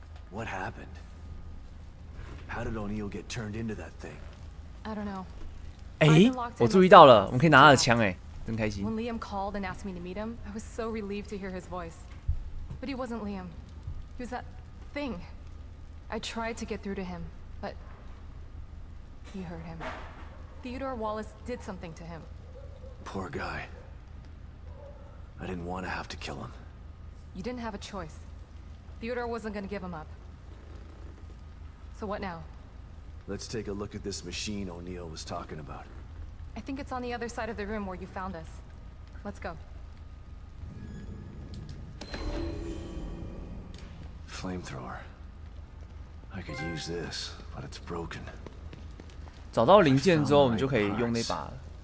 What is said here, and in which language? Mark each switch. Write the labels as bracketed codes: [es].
[en] What happened? How did O'Neill get turned into that thing? I don't know. [zh] 欸，我注意到了，我们可以拿他的枪欸，真开心。 [en] When Liam called and asked me to meet him, I was so relieved to hear his voice. But he wasn't Liam. He was that thing. I tried to get through to him, but he hurt him. Theodore Wallace did something to him. Poor guy. I didn't want to have to kill him. You didn't have a choice. Theodore wasn't going to give him up. So what now? Let's take a look at this machine O'Neill was talking about. I think it's on the other side of the room where you found us. Let's go. Flamethrower. I could use this, but it's broken. [zh] 找到零件之后，我们就可以用那把了。